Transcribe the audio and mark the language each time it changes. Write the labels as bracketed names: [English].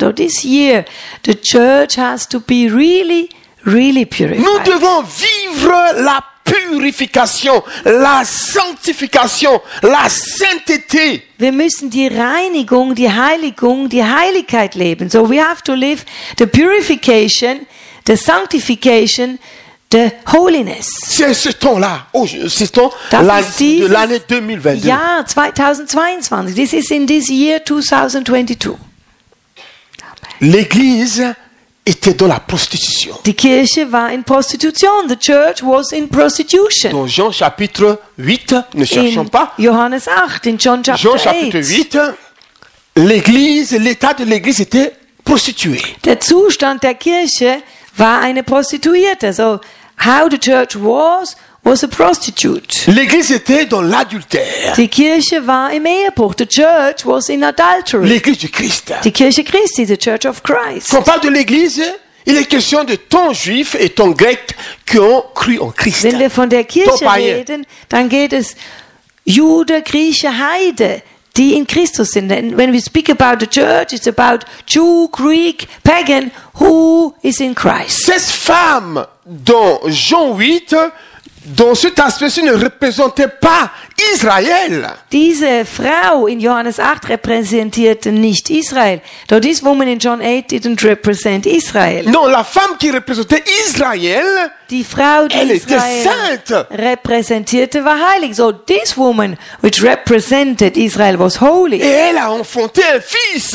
[English] So this year, the church has to be really, really purified. [French] Nous devons vivre la purification, la sanctification, la sainteté. [German] Wir müssen die Reinigung, die Heiligung, die Heiligkeit leben. [English] So we have to live the purification, the sanctification, the holiness. [French] C'est ce temps-là, ce temps de l'année 2022. [English] Ja, 2022. This is in this year 2022. [French] L'Église était dans la prostitution. [German] Die Kirche war in Prostitution. [English] The church was in prostitution. [French] Dans Jean chapitre 8, ne cherchons in pas. [English] Johannes 8, in John chapter 8. [French] Jean chapitre 8, l'Église, l'état de l'Église était prostituée. [German] Der Zustand der Kirche war eine Prostituierte. [English] So, how the church was a prostitute. [French] L'Église était dans l'adultère. [German] Die Kirche war im Ehebruch. [English] The church was in adultery. [French] L'Église du Christ. [German] Die Kirche Christi, [English] the church of Christ. [French] Quand on parle de l'Église, il est question de ton juif et ton grec qui ont cru en Christ. [German] Wenn wir von der Kirche reden, dann geht es Jude, Grieche, Heide, die in Christus sind. [English] And when we speak about the church, it's about Jew, Greek, pagan, who is in Christ. [French] Cette femme dans Jean 8, dans cet aspect-ci, ne représentait pas Israël. [German] Diese Frau in Johannes 8 repräsentierte nicht Israel. [English] Though this woman in John 8 didn't represent Israel. [French] Non, la femme qui représentait Israël, [German] die Frau, die [French] elle [German] Israel [French] était sainte. [German] Repräsentierte war heilig. [English] So this woman which represented Israel was holy. [French] Et elle a enfanté un fils.